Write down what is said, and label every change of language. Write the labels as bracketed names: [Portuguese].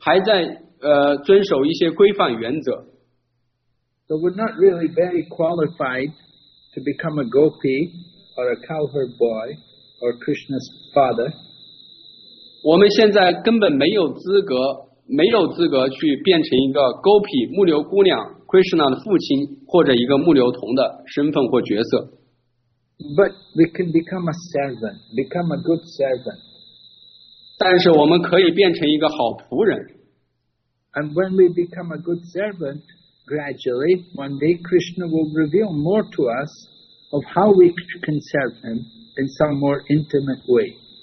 [Chinese] 我们现在还在规范修习，还在念16圈，还在遵守一些规范原则。 [English] So we're not really very qualified to become a gopi or a cowherd boy or Krishna's father. [Chinese] 我们现在根本没有资格去变成一个gopi，牧牛姑娘。 Krishna的父亲或者一个牧牛童的身份或角色。 [English] But we can become a servant, become a good servant. [Chinese] 但是我们可以变成一个好仆人。 [English] And when we become a good servant, gradually, one day Krishna will reveal more to us of how we can serve him in some more intimate way.